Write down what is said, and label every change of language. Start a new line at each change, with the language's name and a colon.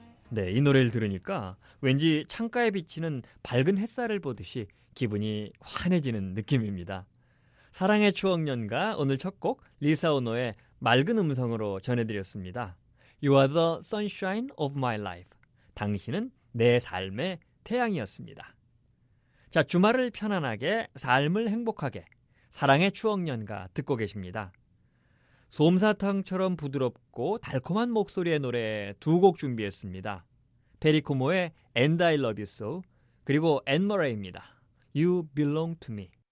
Korean: 네, 이 노래를 들으니까 왠지 창가에 비치는 밝은 햇살을 보듯이 기분이 환해지는 느낌입니다. 사랑의 추억연가 오늘 첫 곡 리사 오노의 맑은 음성으로 전해드렸습니다.
English: You are the sunshine of my life.
Korean: 당신은 내 삶의 태양이었습니다. 자, 주말을 편안하게, 삶을 행복하게, 사랑의 추억연가 듣고 계십니다. 솜사탕처럼 부드럽고 달콤한 목소리의 노래 두 곡 준비했습니다. 페리코모의 And I Love You So, 그리고 앤 머레이입니다.
English: You Belong to Me.